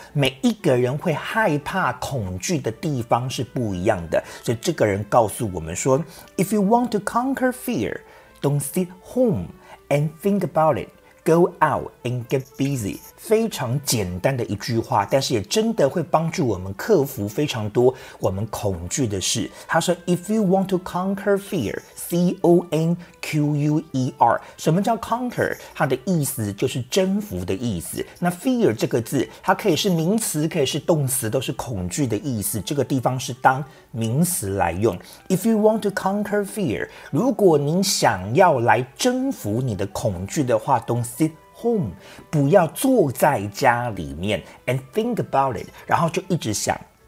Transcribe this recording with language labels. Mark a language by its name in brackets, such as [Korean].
[Chinese] 每一个人会害怕恐惧的地方是不一样的，所以这个人告诉我们说， [English] If you want to conquer fear, don't sit home and think about itGo out and get busy， [Chinese] 非常简单的一句话，但是也真的会帮助我们克服非常多我们恐惧的事。他说 [English] If you want to conquer fear， C-O-N-Q-U-E-R， [Chinese] 什么叫 [English] conquer？ [Chinese] 它的意思就是征服的意思。那 fear 这个字，它可以是名词，可以是动词，都是恐惧的意思，这个地方是当名词来用。 [English] If you want to conquer fear， [Chinese] 如果您想要来征服你的恐惧的话， [English] sit home， [Chinese] 不要坐在家里面， [English] and think about it， [Chinese] 然后就一直想。